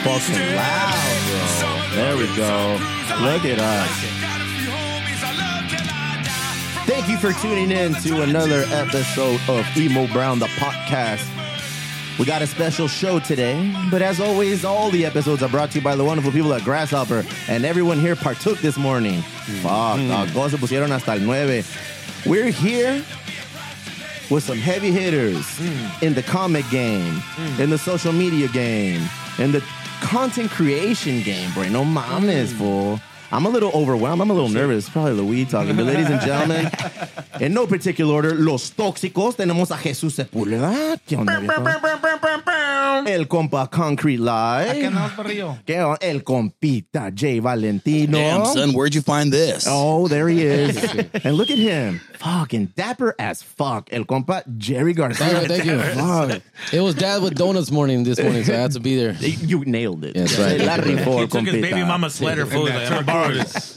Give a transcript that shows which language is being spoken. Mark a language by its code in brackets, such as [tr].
[en] Fucking loud, bro. There we go. Look at us. Thank you for tuning in to another episode of Emo Brown the Podcast. We got a special show today, but as always, all the episodes are brought to you by the wonderful people at Grasshopper, and everyone here partook this morning. [es] Fuck, se pusieron hasta el nueve. [en] We're here with some heavy hitters in the comic game, in the social media game, in the content creation game, bro. [es] No mames, [en] fool. I'm a little overwhelmed. I'm a little nervous. Probably Louis talking. But ladies and gentlemen, in no particular order, Los Tóxicos, [es] tenemos a [en] Jesús Sepúlveda. [es] ¿Qué onda, El compa Concrete Live. ¿Qué onda, El compita Jay Valentino. [en] Damn, son, where'd you find this? Oh, there he is. And look at him. Fucking dapper as fuck. [es] El compa Jerry Garcia. [en] Thank you. Fuck. It was Dad with Donuts morning this morning, so I had to be there. You nailed it. That's right. Larry Ford, he took compita. His baby mama sweater full of that.